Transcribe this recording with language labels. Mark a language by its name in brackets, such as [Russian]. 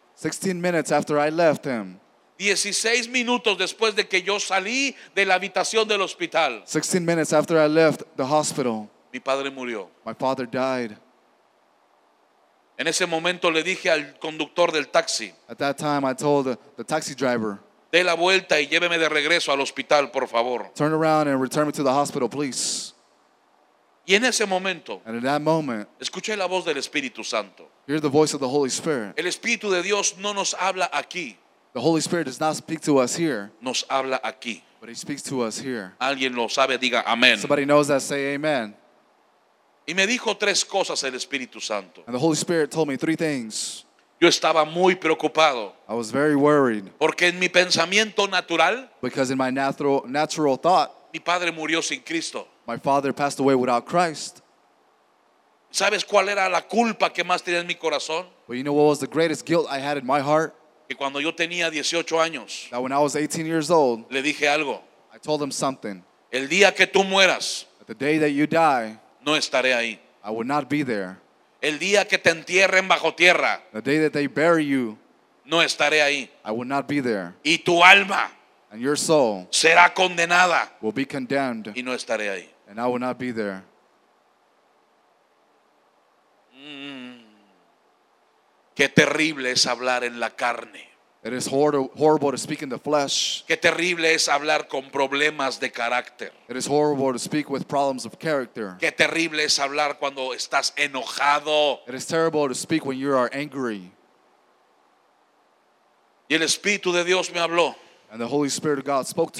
[English] 16 minutes after I left him. [Spanish] 16 minutos después de que yo salí de la habitación del hospital. [English] 16 minutes after I left the hospital. [Spanish] Mi padre murió. [English] My father died. [Spanish] En ese momento le dije al conductor del taxi. [English] At that time I told the taxi driver. [Spanish] Dé la vuelta y lléveme de regreso al hospital, por favor. [English] Turn around and return me to the hospital, please. [Spanish] Y en ese momento. [English] And in that moment. [Spanish] Escuché la voz del Espíritu Santo. [English] Hear the voice of the Holy Spirit. [Spanish] El Espíritu de Dios no nos habla aquí. [English] The Holy Spirit does not speak to us here. [Spanish] Nos habla aquí. [English] But he speaks to us here. [Spanish] Alguien lo sabe, diga amén. [English] Somebody knows that, say amen. [Spanish] Y me dijo tres cosas el Espíritu Santo. [English] And the Holy Spirit told me three things. [Spanish] Yo estaba muy preocupado. [English] I was very worried. [Spanish] Porque en mi pensamiento natural. [English] Because in my natural thought. [Spanish] Mi padre murió sin Cristo. [English] My father passed away without Christ. [Spanish] ¿Sabes cuál era la culpa que más tenía en mi corazón? [English] Well, you know what was the greatest guilt I had in my heart? [Spanish] Que cuando yo tenía 18 años. [English] That when I was 18 years old. [Spanish] Le dije algo. [English] I told him something. [Spanish] El día que tú mueras. [English] The day that you die. [Spanish] No estaré ahí. [English] I will not be there. [Spanish] El día que te entierren bajo tierra. [English] The day that they bury you. [Spanish] No estaré ahí. [English] I will not be there. [Spanish] Y tu alma. [English] And your soul. [Spanish] Será condenada. [English] Will be condemned. [Spanish] Y no estaré ahí. [English] And I will not be there. [Spanish] Qué terrible es hablar en la carne. [English] It is horrible to speak in the flesh. [Spanish] Qué terrible es hablar con problemas de carácter. [English] It is horrible to speak with problems of character. [Spanish] Qué terrible es hablar cuando estás enojado. [English] It is terrible to speak when you are angry. [Spanish] Y el Espíritu de Dios me habló. [English] And the Holy Spirit of God spoke to